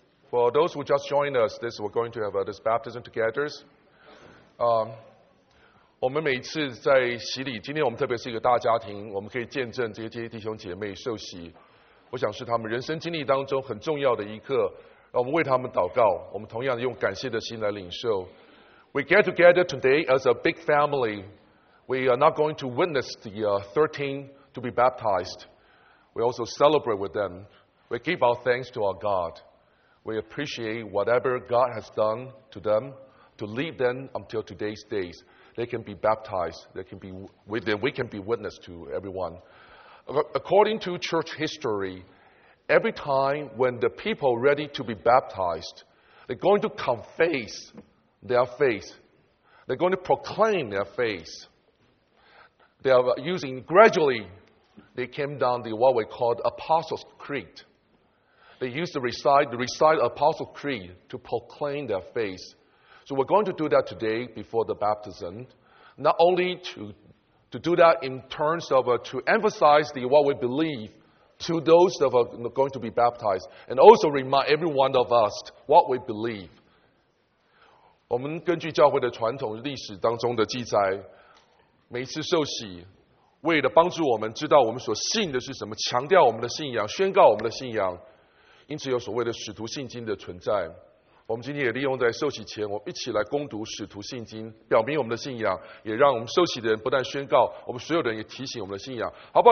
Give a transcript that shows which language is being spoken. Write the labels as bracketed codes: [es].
[en] For those who just joined us, we're going to have this baptism together. [zh] 我们每一次在洗礼，今天我们特别是一个大家庭，我们可以见证这些弟兄姐妹受洗。我想是他们人生经历当中很重要的一刻，让我们为他们祷告。我们同样用感谢的心来领受。 [en] We get together today as a big family. We are not going to witness the 13 to be baptized. We also celebrate with them. We give our thanks to our God. We appreciate whatever God has done to them to lead them until today's days. They can be baptized. We can be witness to everyone. According to church history, every time when the people are ready to be baptized, they're going to confess their faith. They're going to proclaim their faith. They are using gradually, they came down the what we call Apostles' Creed. They used to recite Apostles' Creed to proclaim their faith. So we're going to do that today before the baptism, not only to to do that in terms of to emphasize the what we believe to those that are going to be baptized, and also remind every one of us what we believe. [zh] 我们根据教会的传统历史当中的记载，每次受洗，为了帮助我们知道我们所信的是什么，强调我们的信仰，宣告我们的信仰，因此有所谓的使徒信经的存在。我们今天也利用在受洗前，我们一起来攻读使徒信经，表明我们的信仰，也让我们受洗的人不但宣告，我们所有人也提醒我们的信仰，好不好？